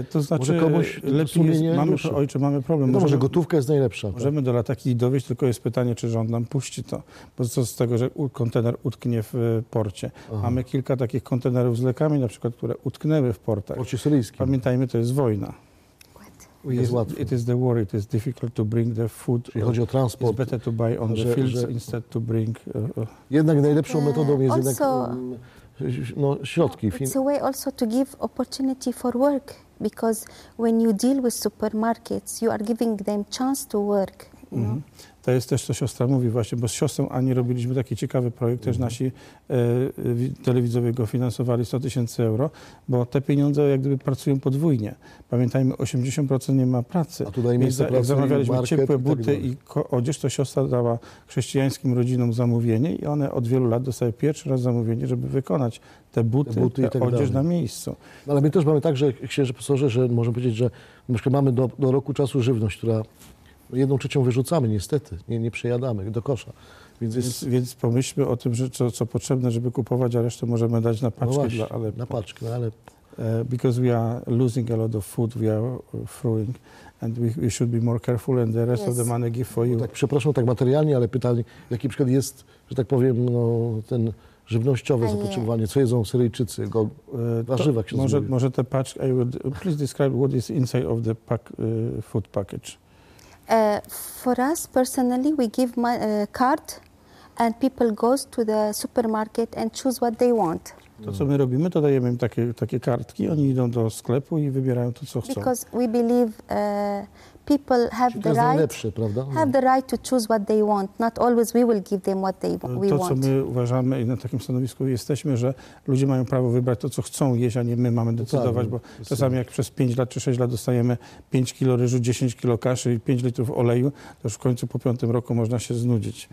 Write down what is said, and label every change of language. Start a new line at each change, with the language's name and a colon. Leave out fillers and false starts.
Polish: to znaczy, może komuś lepiej jest, mamy problem. Może gotówka jest najlepsza. Możemy do lataki dowieść, tylko jest pytanie, czy rząd nam puści to. Bo co z tego, że kontener utknie w porcie. Aha. Mamy kilka takich kontenerów z lekami, na przykład, które utknęły w portach. W porcie syryjskim. Pamiętajmy, to jest wojna.
English: It is the war, it is difficult to bring the food.
Polish: Czyli chodzi o transport.
English: It's better to buy on the fields instead to bring...
Polish: Jednak najlepszą metodą jest jednak... No, środki.
English: It's a way also to give opportunity for work, because when you deal with supermarkets, you are giving them chance to work. You know?
Polish: To jest też, co siostra mówi właśnie, bo z siostrą Ani robiliśmy taki ciekawy projekt, też nasi telewidzowie go finansowali 100 tysięcy euro, bo te pieniądze jak gdyby pracują podwójnie. Pamiętajmy, 80% nie ma pracy. A tutaj miejsce pracy, zamawialiśmy ciepłe buty i odzież, to siostra dała chrześcijańskim rodzinom zamówienie i one od wielu lat dostały pierwszy raz zamówienie, żeby wykonać te buty i odzież na miejscu. No, ale my też mamy tak, że księże profesorze, że możemy powiedzieć, że na przykład mamy do roku czasu żywność, która... 1/3 wyrzucamy niestety, nie przejadamy do kosza. Więc pomyślmy o tym, że co potrzebne, żeby kupować, a resztę możemy dać na paczkę. No właśnie, dla Aleppo. Na paczkę, ale...
English: Because we are losing a lot of food, we are throwing, and we should be more careful, and the rest of the money give for you.
Polish: Tak, przepraszam, tak materialnie, ale pytanie, jaki przykład jest, że tak powiem, no ten... żywnościowe zapotrzebowanie, co jedzą Syryjczycy, warzywa, się może zmówi. Może te paczki...
English: Please describe what is inside of the food package. For us personally, we give a card and people go to the supermarket and choose what they want.
Polish: To, co my robimy, to dajemy im takie kartki, oni idą do sklepu i wybierają to, co chcą.
English: Because we believe people have the right,
Polish: najlepsze, prawda?
English: Have the right to choose what they want. Not always we will give them what they want.
Polish: To, co my uważamy i na takim stanowisku jesteśmy, że ludzie mają prawo wybrać to, co chcą jeść, a nie my mamy decydować, bo czasami jak przez 5 lat czy 6 lat dostajemy 5 kilo ryżu, 10 kilo kaszy i 5 litrów oleju, to już w końcu po 5 roku można się znudzić.